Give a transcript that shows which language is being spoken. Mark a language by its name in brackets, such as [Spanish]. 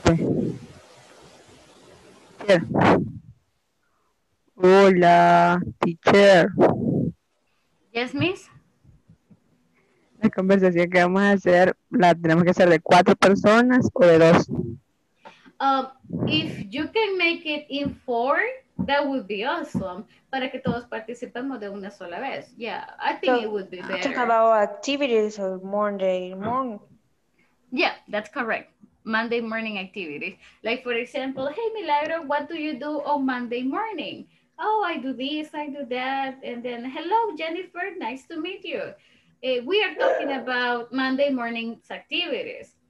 [Spanish] Sí. Hola, teacher. [English] Yes, miss. [Spanish] La conversación que vamos a hacer, ¿la tenemos que hacer de 4 personas o de 2? [English] If you can make it in 4, that would be awesome. [Spanish] Para que todos participemos de una sola vez. [English] Yeah, I think so, it would be better. Talk about activities of Monday morning. Yeah, that's correct. Monday morning activities. Like, for example, hey, Milagro, what do you do on Monday morning? Oh, I do this, I do that. And then, hello, Jennifer, nice to meet you. We are talking about Monday morning activities.